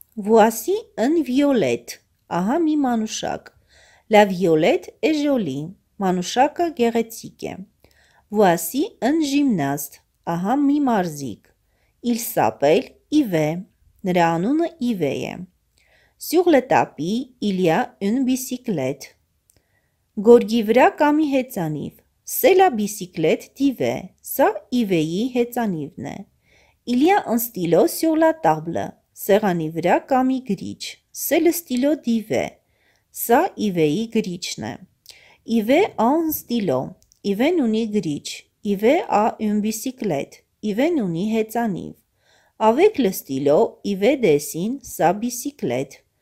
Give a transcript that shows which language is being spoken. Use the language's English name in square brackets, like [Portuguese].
[French] Voici un violet. [Armenian] Ահա մի մանուշակ. [French] La violette est jolie. [Armenian] Մանուշակը գեղեցիկ է. [French] Voici un gymnast. [Armenian] Ահա մի մարզիկ. [French] Il s'appelle Yves. [Armenian] Նրա անունը Yves է. Sur le tapis, il y a une bicyclette. Գորգի վրա կամի հեծանիվ. [French] C'est la bicyclette d'Yves. [Armenian] Սա Yves-ի հեծանիվն է. [French] Il y a un stylo sur la table. [Armenian] Սեղանի վրա կամի գրիչ. [French] C'est le stylo d'Yves. [Armenian] Սա Yves-ի գրիչն է. [French] Yves a un stylo. [Armenian] Yves-ն ունի գրիչ. [French] Yves a une bicyclette. [Armenian] Yves-ն ունի հեծանիվ. [French] Avec le stylo, Yves dessine sa bicyclette.